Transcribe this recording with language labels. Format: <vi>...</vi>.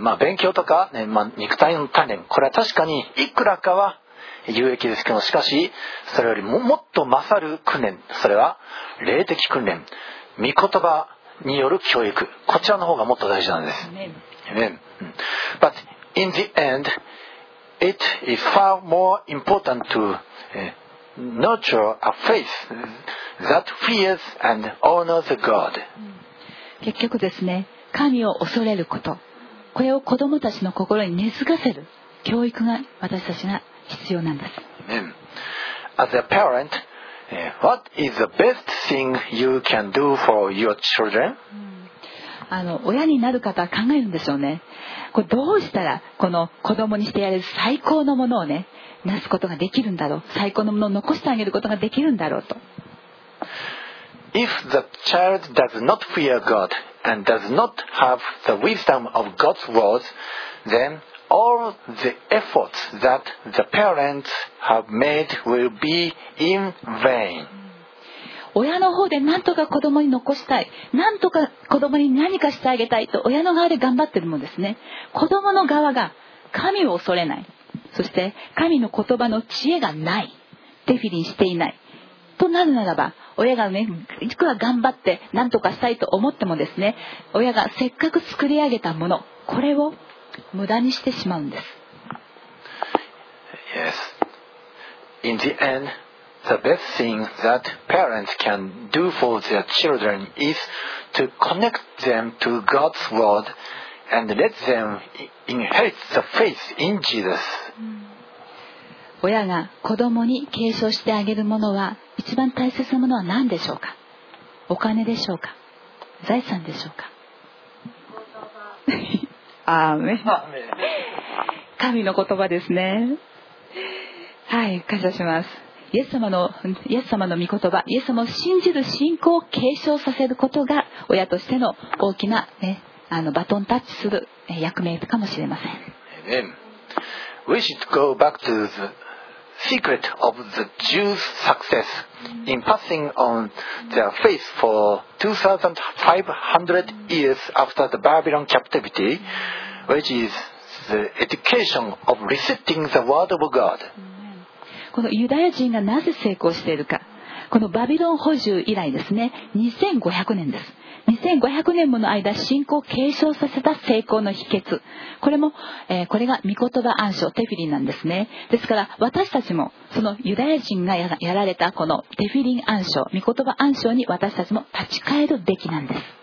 <ja>まあ勉強とか、ね、まあ、肉体の鍛錬、これは確かにいくらかは有益ですけども、しかしそれより もっと勝る訓練、それは霊的訓練、御言葉による教育、こちらの方がもっと大事なんです。</ja> <en>Amen. ButIn the end, it is far more important to nurture a faith that fears and honors God.</en> <ja>結局ですね、神を恐れること、これを子供たちの心に根付かせる教育が私たちが必要なんです。</ja> <en>Amen. As a parent, what is the best thing you can do for your children?</en> <ja>親になる方は考えるんでしょうね。これどうしたらこの子供にしてやれる最高のものをね、なすことができるんだろう、最高のものを残してあげることができるんだろうと。</ja> <en>If the child does not fear God and does not have the wisdom of God's words, then all the efforts that the parents have made will be in vain.</en> <ja>親の方で何とか子供に残したい、何とか子供に何かしてあげたいと親の側で頑張ってるもんですね。子供の側が神を恐れない、そして神の言葉の知恵がない、デフィリンしていないとなるならば、親がね、いくら頑張って何とかしたいと思ってもですね、親がせっかく作り上げたもの、これを無駄にしてしまうんです。</ja> <en>Yes. In the end. The best thing that parents can do for their children is to connect them to God's word and let them inherit the faith in Jesus.</en> <ja>親が子供に継承してあげるものは、一番大切なものは何でしょうか？お金でしょうか？財産でしょうか？アーメン。神の言葉ですね。はい、感謝します。イエス様の御言葉、イエス様を信じる信仰を継承させることが、親としての大きな、ね、バトンタッチする役目かもしれません。</ja> <en>Amen. We should go back to the secret of the Jews' success in passing on their faith for 2,500 years after the Babylon captivity, which is the education of reciting the word of God.</en> <ja>このユダヤ人がなぜ成功しているか、このバビロン捕囚以来ですね、2500年です。 2500年もの間信仰を継承させた成功の秘訣、これも、これが御言葉暗唱テフィリンなんですね。ですから私たちもそのユダヤ人が やられたこのテフィリン暗唱、御言葉暗唱に私たちも立ち返るべきなんです。</ja>